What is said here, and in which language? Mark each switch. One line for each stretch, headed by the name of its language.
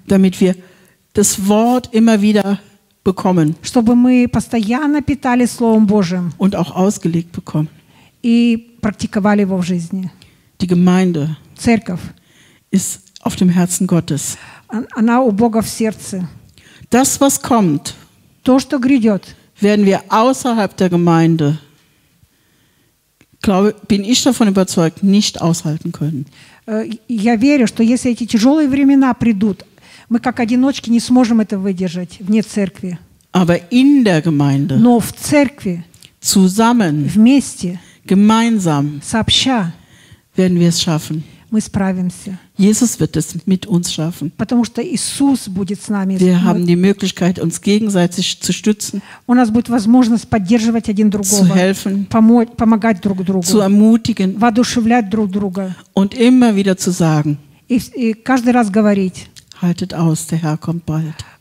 German: Damit wir das Wort immer wieder bekommen.
Russian: Чтобы мы постоянно питали Словом Божьим.
German: Und auch ausgelegt bekommen.
Russian: И практиковали его в жизни.
German: Die Gemeinde.
Russian: Церковь.
German: Ist auf dem Herzen Gottes.
Russian: Она у Бога в сердце.
German: Das, was kommt.
Russian: То, что грядет.
German: Werden wir außerhalb der Gemeinde, glaube, bin ich davon überzeugt, nicht aushalten können.
Russian: Я верю, что если эти тяжелые времена придут, мы как одиночки не сможем это выдержать вне церкви.
German: Aber in der Gemeinde.
Russian: Но в церкви.
German: Zusammen.
Russian: Вместе.
German: Gemeinsam.
Russian: Сообща.
German: Werden wir es schaffen.
Russian: Мы справимся.
German: Jesus wird es mit uns schaffen.
Russian: Потому что Иисус будет с нами.
German: Wir haben die Möglichkeit, uns gegenseitig zu stützen.
Russian: У нас будет возможность поддерживать один другого.
German: Zu helfen.
Russian: Помогать друг другу.
German: Zu ermutigen.
Russian: Воодушевлять друг друга.
German: Und immer wieder zu sagen.
Russian: И каждый раз говорить.
German: Haltet aus, der Herr kommt bald.